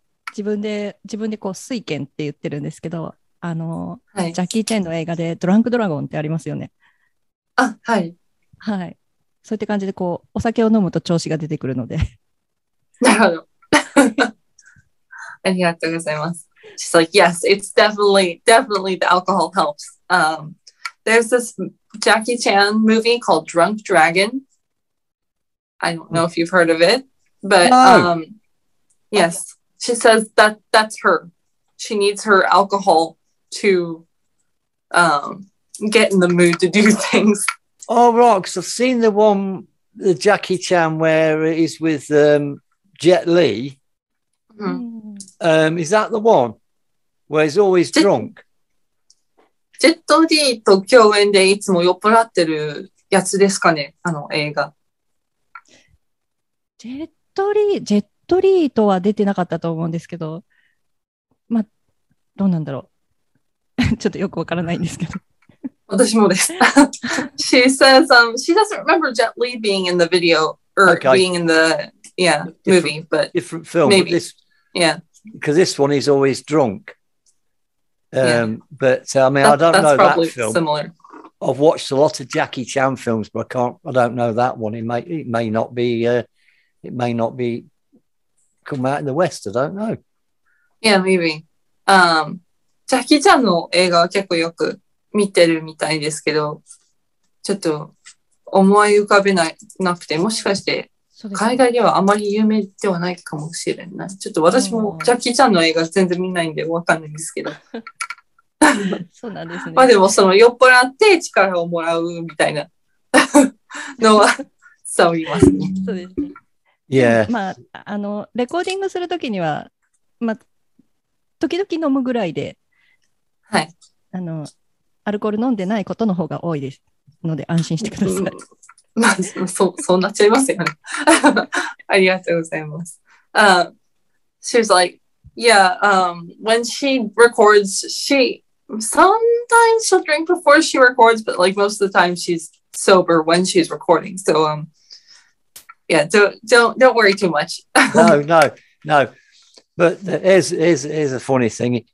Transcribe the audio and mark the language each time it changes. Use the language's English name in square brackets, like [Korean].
[Japanese] 自分でこう、酔拳って言ってるんですけど、ジャッキー・チェンの映画でドランクドラゴンってありますよね。あ、はい。はい。そういった感じでこうお酒を飲むと調子が出てくるので、なるほど。ありがとうございます。 [English] She's like, yes, it's definitely the alcohol helps. There's this Jackie Chan movie called Drunk Dragon. I don't know if you've heard of it, but yes, she says that that's her. She needs her alcohol to get in the mood to do things. Oh, right, because I've seen the one, the Jackie Chan, where it is with Jet Li. Mm-hmm. Is that the one where he's always drunk? [Japanese] Jet Li と共演でいつも酔っ払ってるやつですかね、あの映画。 Jet Li とは出てなかったと思うんですけど、まあ、どうなんだろう。ちょっとよくわからないんですけど。私もです。 [English] She says, she doesn't remember Jet Li being in the video, or being in the, movie, but different film, maybe. Because this one is always drunk. But I mean, I don't know that film. That's probably similar. I've watched a lot of Jackie Chan films, but I don't know that one. It may not be come out in the West. I don't know. Yeah, maybe. [Japanese] Jackie Chan の映画は結構よく見てるみたいですけど、ちょっと思い浮かべなくて、もしかして海外ではあまり有名ではないかもしれない。ちょっと私もジャッキーちゃんの映画全然見ないんでわかんないんですけど。そうなんですね。まあでもその酔っ払って力をもらうみたいなのは伝わりますね。そうですね。 [English] Yeah. [Japanese] まあ、レコーディングするときには、まあ、時々飲むぐらいで、はい。アルコール飲んでないことの方が多いですので安心してください。うん、まあそうなっちゃいますよね。ありがとうございます。 [English] She was like, yeah, when she records, she sometimes she'll drink before she records, but like most of the time she's sober when she's recording. So don't worry too much. no. But here's a funny thing.